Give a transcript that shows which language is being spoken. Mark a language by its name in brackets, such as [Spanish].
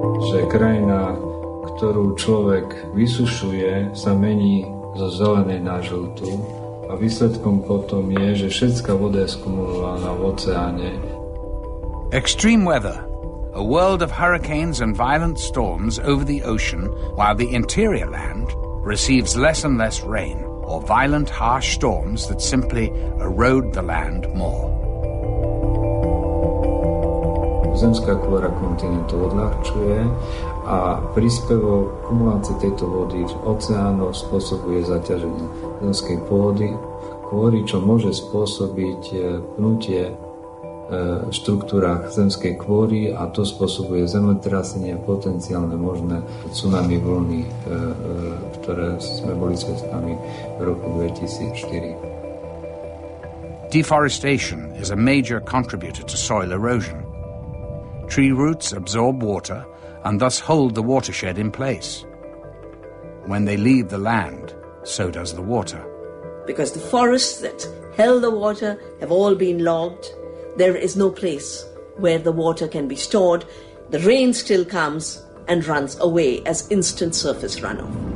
[Slovak] Že krajina, ktorú človek vysušuje, sa mení zo zelenej na žltú a výsledkom potom je, že všetká voda je skumulovaná v oceáne. [English] Extreme weather. A world of hurricanes and violent storms over the ocean, while the interior land receives less and less rain, or violent, harsh storms that simply erode the land more. [Slovak] Zemská kôra kontinentu odľahčuje a príspevok kumulácie tejto vody v oceánoch spôsobuje zaťaženie zemskej pôdy, kôry, čo môže spôsobiť pnutie v štruktúrach zemskej kôry a to spôsobuje zemetrasenie, potenciálne možné tsunami vlny, ktoré sme boli svedkami v roku 2004. [English] Deforestation is a major contributor to soil erosion. Tree roots absorb water and thus hold the watershed in place. When they leave the land, so does the water. Because the forests that held the water have all been logged. There is no place where the water can be stored. The rain still comes and runs away as instant surface runoff.